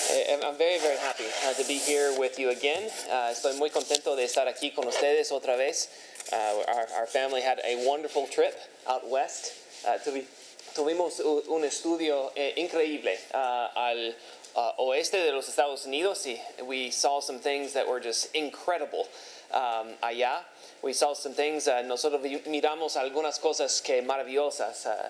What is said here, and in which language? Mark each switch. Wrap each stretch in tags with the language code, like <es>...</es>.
<en>I'm very, very happy to be here with you again.</en> <es>Estoy muy contento de estar aquí con ustedes otra vez.</es> <en>Our family had a wonderful trip out west.</en> <es>Tuvimos un estudio increíble al oeste de los Estados Unidos.</es> <en>We saw some things that were just incredible allá. We saw some things.</en> <es>Nosotros miramos algunas cosas que maravillosas.</es>